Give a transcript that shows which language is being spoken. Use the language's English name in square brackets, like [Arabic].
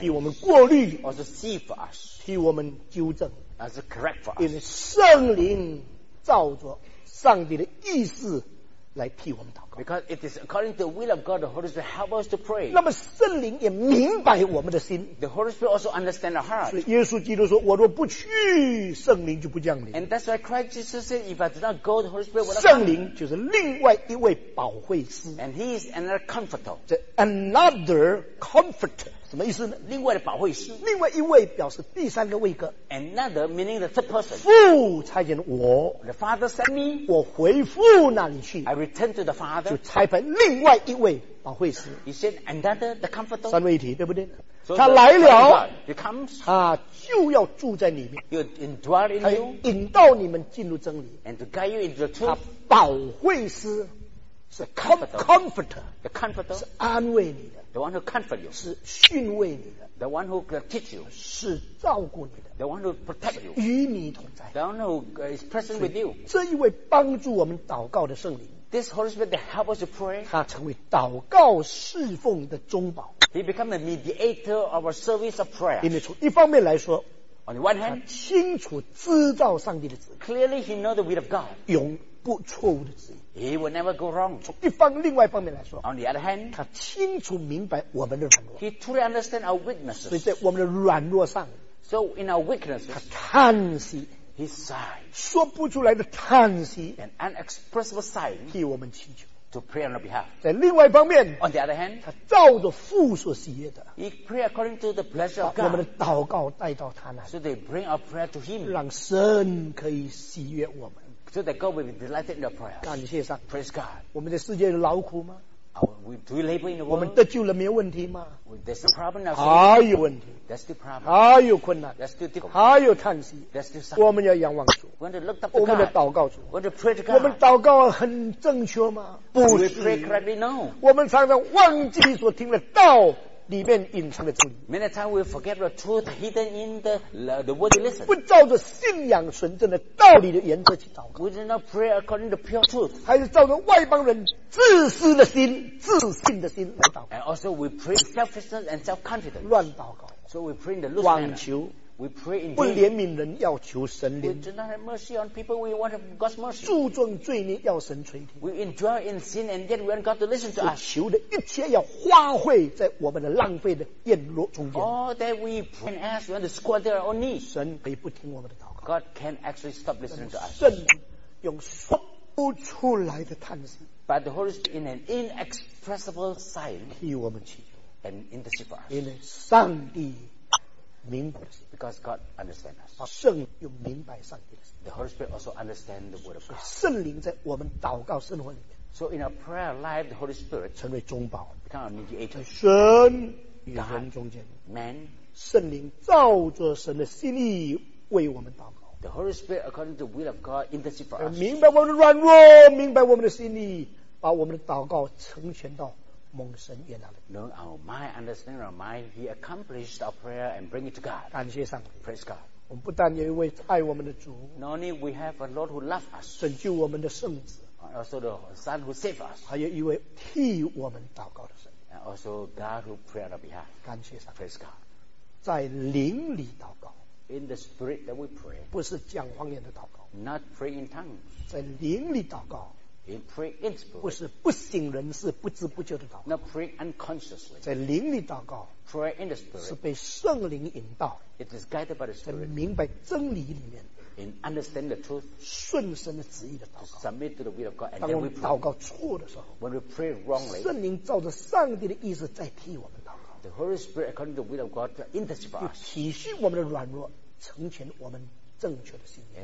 [Chinese] 替我们过滤。 [English] Also see for us. [Chinese] 替我们纠正。 [English] Also correct for us. [Chinese] 因为圣灵照着上帝的意思来替我们祷告。 [English] Because it is according to the will of God, the Holy Spirit help us to pray. [Chinese] 那么圣灵也明白我们的心。 [English] The Holy Spirit also understand our heart. [Chinese] 所以耶稣基督说：“我若不去，圣灵就不降临。” [English] And that's why Christ Jesus said, "If I do not go, the Holy Spirit will not." [Chinese] 圣灵就是另外一位保惠师。 [English] And he is another comforter. [Chinese] 这 [English] another comforter [Chinese] 什么意思呢？另外的保惠师。另外一位表示第三个位格。 [English] Another meaning the third person. [Chinese] 父差遣我。 [English] The Father sent me. [Chinese] 我回父那里去。 [English] Return to the Father. [Chinese] 就差派另外一位保惠师。 [English] He said another the comforter. [Chinese] 三位一体，对不对？ [English] So、 [Chinese] 他来了， [English] he comes, [Chinese] 他就要住在里面。 [English] He indwell in you. [Chinese] 引导你们进入真理。 [English] And to guide you into the truth. [Chinese] 他保惠师是 comforter. [English] The comforter [Chinese] 是安慰你的。 [English] The one who comfort you. [Chinese] 是训慰你的。 [English] The one who teach you. [Chinese] 是照顾你的。 [English] The one who protect you. [Chinese] 与你同在。 [English] The one who is present with you. [Chinese] 这一位帮助我们祷告的圣灵。 [English] This Holy Spirit that help us to pray. [Chinese] 他成为祷告侍奉的中保。 [English] He become the mediator of our service of prayer. [Chinese] 因为从一方面来说， [English] on the one hand, [Chinese] 他清楚知道上帝的旨意。 [English] Clearly, he knows the will of God. [Chinese] 永不错误的旨意。 [English] He will never go wrong. [Chinese] 从一方另外一方面来说， [English] on the other hand, [Chinese] 他清楚明白我们的软弱。 [English] He truly understands our weaknesses. [Chinese] 所以在我们的软弱上， [English] so in our weaknesses, [Chinese] 他叹息。 [English] He sighed, [Chinese] 说不出来的叹息 [English] ，an unexpressible sigh, [Chinese] 替我们祈求 [English] ，to pray on our behalf. [Chinese] 在另外一方面 [English] ，on the other hand, [Chinese] 他照着父所喜悦的 [English] ，he pray according to the pleasure of God. [Chinese] 把我们的祷告带到他那 [English] ，so they bring our prayer to him. [Chinese] 让神可以喜悦我们 [English] ，so that God will be delighted in our prayer. [Chinese] 感谢上 [English] ，praise God. [Chinese] 我们在世界劳苦吗？ [English] Do we labor in the world? [Chinese] 我们得救了没有问题吗？ [English] There's a problem now. [Chinese] 还有问题。 [English] That's the problem. [Chinese] 还有困难。 [English] That's the difficulty. [Chinese] 还有叹息。 [English] That's the sound. [Chinese] 我们要仰望主。 [English] We want to look up to God. [Chinese] 我们的祷告主。 [English] We want to pray to God. [Chinese] 我们祷告很正确吗？不是。 [English] We pray correctly? No. [Chinese] 我们常常忘记所听的道里面隐藏的真理。 [English] Many times we forget the truth hidden in the word you listen. [Chinese] 不照着信仰纯正的道理的原则去祷告。 [English] We do not pray according to pure truth. [Chinese] 还是照着外邦人自私的心、自信的心来祷告。 [English] And also we pray selfishness and self-confidence. [Chinese] 乱祷告。 [English] So we pray in the loose manner. [Chinese] 妄求。 [English] We pray in [Chinese] 不怜悯人要求神怜悯。 [English] We do not have mercy on people. We want God's mercy. [Chinese] 注重罪孽要神垂听。 [English] We indwell in sin and yet we want God to listen to us. [Chinese] 求的一切要花费在我们的浪费的宴落中间。 [English] All that we pray and ask, we want to squander our needs. [Chinese] 神可以不听我们的祷告。 [English] God can actually stop listening to us. [Chinese] 神用说不出来的叹息。 [English] But the Holy Spirit in an inexpressible sigh. [Chinese] 替我们祈求。 [English] And intercede for us. [Chinese] 因为上帝。明白的心 [English] ，because God understands us， [Chinese] 圣又明白上帝的心 [English] ，the Holy Spirit also understands the word of God， [Chinese] 圣灵在我们祷告生活里面 [English] ，so in our prayer life the Holy Spirit [Chinese] 成为中保 [English] ，become our mediator， [Chinese] 神与人中间 [English] ，man， [Chinese] 圣灵照着神的心意为我们祷告 [English] The Holy Spirit, according to the will of God, intercede for us. [Chinese] 明白我们的软弱，明白我们的心意，把我们的祷告成全到蒙神悦纳的。 [English] Know our mind, understand our mind. He accomplished our prayer and bring it to God. [Chinese] 感谢上帝。 [English] Praise God. [Chinese] 我们不但有一位爱我们的主。 [English] Not only we have a Lord who loves us. [Chinese] 拯救我们的圣子。 [English] Also the Son who saved us. [Chinese] 还有一位替我们祷告的神。 [English] And also God who prayed on our behalf. [Chinese] 感谢上帝。 [English] Praise God. [Chinese] 在灵里祷告。 [English] In the spirit that we pray, [Chinese] 不是讲方言的祷告。 [English] Not pray in tongues. [Chinese] 在灵里祷告。 [English] In pray in spirit. [Chinese] 不是不省人事、不知不觉的祷告。 [English] Not pray unconsciously. [Chinese] 在灵里祷告。 [English] Pray in the spirit. [Chinese] 是被圣灵引导。 [English] It is guided by the spirit. [Chinese] 在明白真理里面。 [English] In understand the truth. [Chinese] 顺神的旨意的祷告。 [English] Submit to the will of God. And [Chinese] 当我们祷告错的时候。 [English] When we pray wrongly. [Chinese] 圣灵照着上帝的意思在替我们祷告。 [English] The Holy Spirit, according to the will of God, intercede for us. [Chinese] 体恤我们的软弱，成全我们正确的信念。